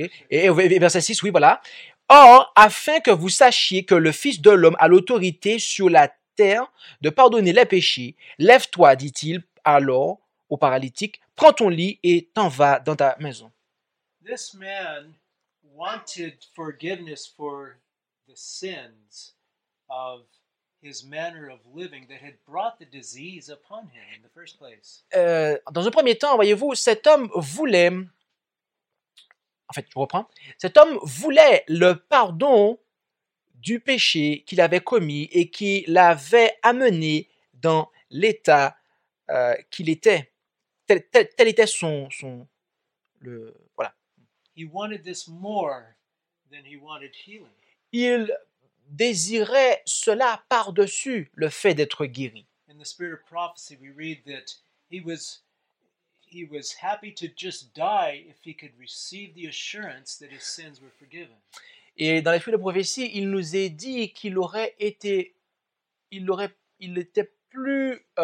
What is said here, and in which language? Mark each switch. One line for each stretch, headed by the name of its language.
French: Et verset 6, oui, voilà. « Or, afin que vous sachiez que le Fils de l'homme a l'autorité sur la terre de pardonner les péchés, lève-toi, dit-il, alors, au paralytique, prends ton lit et t'en vas dans ta maison.
English: This man wanted forgiveness for the sins of his manner of living that had brought the disease upon him in the first place.
French: Dans un premier temps, voyez-vous, cet homme voulait, en fait, je reprends, cet homme voulait le pardon du péché qu'il avait commis et qui l'avait amené dans l'état qu'il était. Tel était son voilà.
English: He wanted this more than he wanted healing.
French: Il désirait cela par-dessus le fait d'être guéri.
English: In the spirit of prophecy, we read that he was happy to just die if he could receive the assurance that his sins were forgiven.
French: Et dans l'esprit de prophétie, il nous est dit qu'il aurait été, il était plus